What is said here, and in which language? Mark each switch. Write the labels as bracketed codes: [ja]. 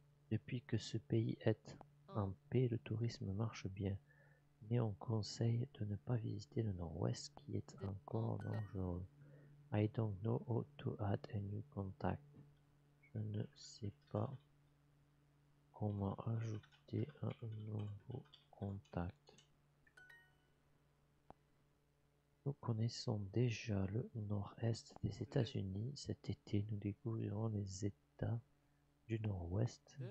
[fr] Depuis que ce pays est en paix, le tourisme marche bien. Mais on conseille de ne pas visiter le nord-ouest qui est encore dangereux. [en] I don't know how to add a new contact. [fr] Je ne sais pas comment ajouter un nouveau contact. Nous connaissons déjà le nord-est des États-Unis. Cet été, nous découvrirons les États du nord-ouest.